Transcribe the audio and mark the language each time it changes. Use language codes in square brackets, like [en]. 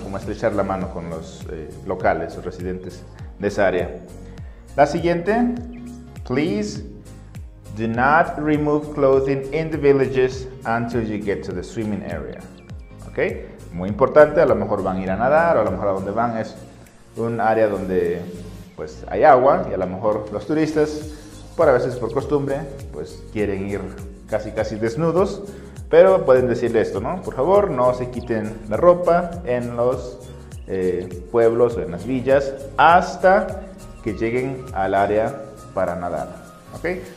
[es] Como estrechar la mano con los locales o residentes de esa área. La siguiente. [en] Please do not remove clothing in the villages until you get to the swimming area. ¿Ok? [es] Muy importante, a lo mejor van a ir a nadar, o a lo mejor a donde van es un área donde, pues, hay agua, y a lo mejor los turistas, por a veces por costumbre, pues quieren ir casi casi desnudos, pero pueden decirle esto, ¿no? Por favor, no se quiten la ropa en los pueblos o en las villas hasta que lleguen al área para nadar, ¿ok?